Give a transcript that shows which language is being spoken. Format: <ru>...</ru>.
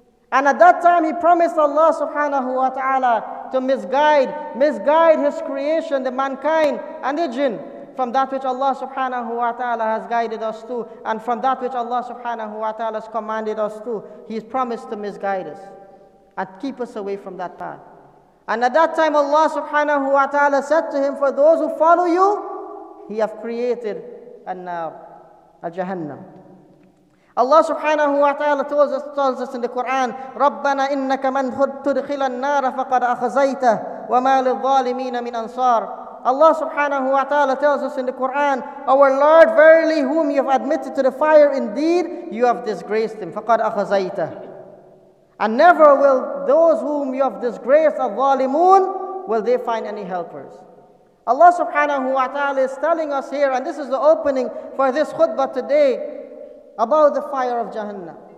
<en>And at that time, he promised Allah subhanahu wa ta'ala to misguide his creation, the mankind and the jinn, from that which Allah subhanahu wa ta'ala has guided us to, and from that which Allah subhanahu wa ta'ala has commanded us to. He has promised to misguide us and keep us away from that path. And at that time, Allah subhanahu wa ta'ala said to him, for those who follow you, he have created al-jahannam.</en> <ar>Allah subhanahu wa ta'ala tells us in the Quran, رَبَّنَا إِنَّكَ مَنْ تُدْخِلَ النَّارَ فَقَدْ أَخْزَيْتَهُ وَمَا لِلظَّالِمِينَ مِنْ أَنصَارِ.</ar> <en>Allah subhanahu wa ta'ala tells us in the Quran, our Lord, verily whom you have admitted to the fire, indeed, you have disgraced him.</en> <ar>فَقَدْ أَخْزَيْتَهُ.</ar> <en>And never will those whom you have disgraced, الظالمون, will they find any helpers. Allah subhanahu wa ta'ala is telling us here, and this is the opening for this khutbah today, about the fire of Jahannam.</en>